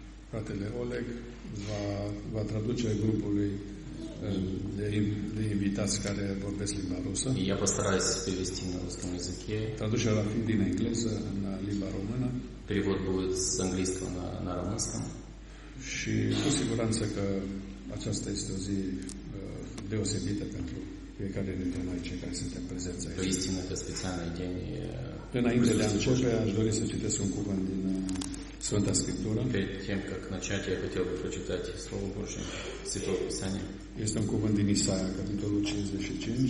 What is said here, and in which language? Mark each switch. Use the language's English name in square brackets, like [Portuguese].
[Romanian] Fratele Oleg va traduce grupului de invitați care vorbesc limba rusă. [Russian] Я постараюсь перевести на русском языке. [Romanian] Traducerea va fi din engleză în limba română. [Russian] Перевод будет с английского на румынском. [Romanian] Și cu siguranță că aceasta este o zi deosebită pentru fiecare dintre noi cei care suntem prezenți aici. Istina că specialul din înainte de a începe, aș dori să citesc un cuvânt din Sfânta Scriptură. [Russian] Перед тем, как начать, я хотел бы прочитать Слово Божие, Святого Писания. [Romanian] Este un cuvânt din Isaia, capitolul 55.